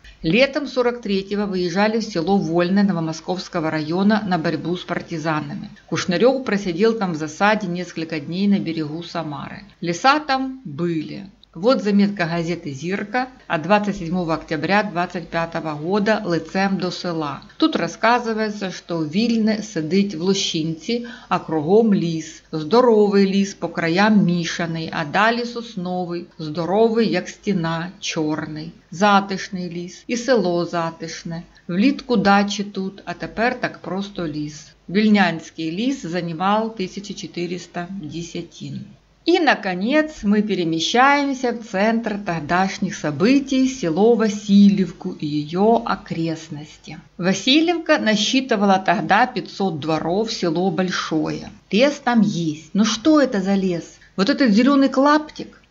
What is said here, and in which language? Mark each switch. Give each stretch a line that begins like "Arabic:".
Russian: Летом 43-го выезжали в село Вольное Новомосковского района на борьбу с партизанами. Кушнарев просидел там в засаде несколько дней на берегу Самары. Леса там были. Вот заметка газеты «Зірка» от 27 октября 25 года «Лицем до села». Тут рассказывается, что
Ukrainian: Вільне сидить в лощинці, а кругом ліс. Здоровий ліс, по краям мішаний, а далі сосновий, здоровий, як стіна, чорний. Затишний ліс, і село затишне. Влітку дачі тут, а тепер так просто ліс. Вільнянський ліс займав 1400 десятин.
Russian: И, наконец, мы перемещаемся в центр тогдашних событий, село Васильевку и ее окрестности. Васильевка насчитывала тогда 500 дворов, село Большое. Лес там есть. Но что это за лес? Вот этот зеленый клаптик?